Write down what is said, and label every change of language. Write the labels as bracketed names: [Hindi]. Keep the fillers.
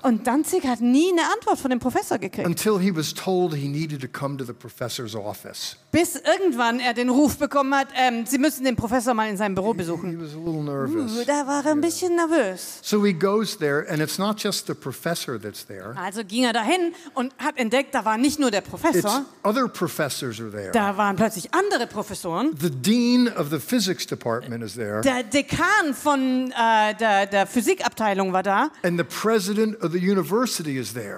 [German] Und Danzig hat nie eine Antwort von dem Professor gekriegt. [English] Until he was told he needed to come to the professor's office. [German] Bis irgendwann er den Ruf bekommen hat, ähm, sie müssen den Professor mal in seinem Büro besuchen. [English] He, he was a little nervous. Uh, [German] da war er ein bisschen [English] yeah. nervös. So he goes there and it's not just the professor that's there. [German] Also ging er dahin und hat entdeckt, da war nicht nur der Professor. [English] It's other professors are there. [German] Da waren plötzlich andere Professoren. [English] The dean of the physics department is there. The [German] Dekan von uh, der, der Physikabteilung war [English] And the president of the university is there.